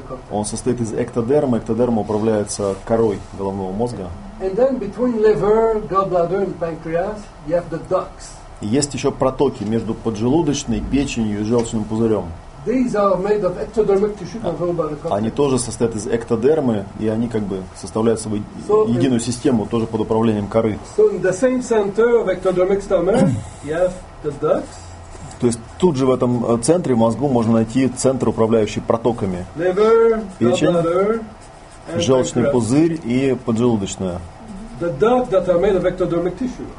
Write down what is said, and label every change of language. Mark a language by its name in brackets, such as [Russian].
[Russian] Он состоит из эктодермы. Эктодерма управляется корой головного мозга. [English] And then between liver, gallbladder, and pancreas, you have the ducts. [Russian] И есть еще протоки между поджелудочной, печенью и желчным пузырем. [English] These are made of ectodermic tissue controlled by the cortex. [Russian] Они тоже состоят из эктодермы, и они как бы составляют собой единую систему, тоже под управлением коры. [English] So in the same center of ectodermic stomach, you have the ducts. [Russian] То есть тут же в этом центре, в мозгу, можно найти центр, управляющий протоками. [English] Liver, [Russian] печень, [English] liver, [Russian] желчный [English] pancreas. [Russian] Пузырь и поджелудочная. [English] The duct that are made of ectodermic tissue.